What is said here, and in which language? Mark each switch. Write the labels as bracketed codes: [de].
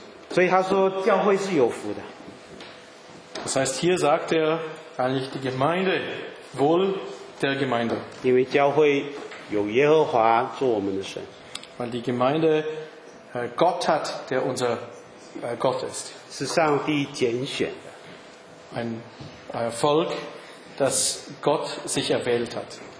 [zh] 所以他说教会是有福的。 [de] Das heißt, hier sagt er eigentlich die Gemeinde wohl der Gemeinde. [zh] 因为教会有耶和华做我们的神。 [de] Weil die Gemeinde Gott hat, der unser Gott ist. [zh] 是上帝拣选的。 [de] Ein Volk, das Gott sich erwählt hat.